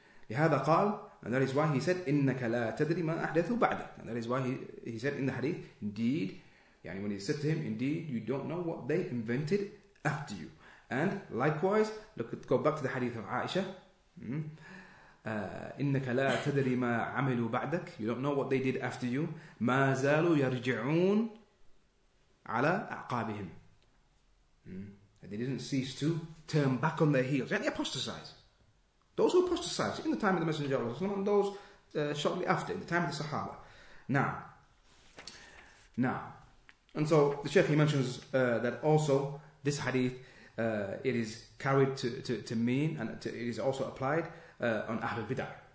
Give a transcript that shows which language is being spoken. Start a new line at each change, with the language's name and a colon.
Arabic: لهذا قال,
English: and that is why he said,
Arabic: إنك لا تدري ما أحدثوا بعدك.
English: And that is why he said in the hadith, indeed, yani, when he said to him, indeed, you don't know what they invented after you. And likewise, go back to the hadith of Aisha.
Arabic: إنك لا تدري ما عملوا بعدك.
English: You don't know what they did after you.
Arabic: ما زالوا يرجعون على أعقابهم.
English: And they didn't cease to turn back on their heels. They apostatized. Those who apostatized in the time of the Messenger of Allah, and those shortly after, in the time of the Sahaba. Now. And so the Shaykh, he mentions that also this hadith, it is carried to mean, and to, it is also applied on Ahlul Bid'ah.